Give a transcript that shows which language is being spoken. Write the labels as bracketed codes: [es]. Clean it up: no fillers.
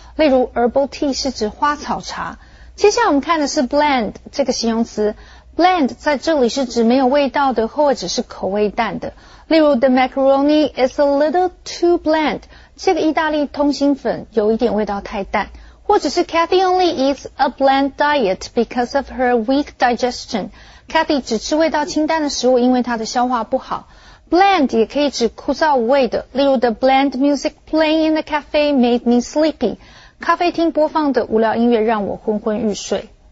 [zh] 例如 [en] herbal tea [zh] 是指花草茶。接下来我们看的是 bland 这个形容词。 bland 在这里是指没有味道的或者是口味淡的。例如 [en] the macaroni is a little too bland， [zh] 这个意大利通心粉有一点味道太淡。或者是 [en] Cathy only eats a bland diet because of her weak digestion， [zh] Cathy 只吃味道清淡的食物因为她的消化不好。 Bland 也可以指枯燥无味的，例如 [en] The bland music playing in the cafe made me sleepy， [zh] 咖啡厅播放的无聊音乐让我昏昏欲睡。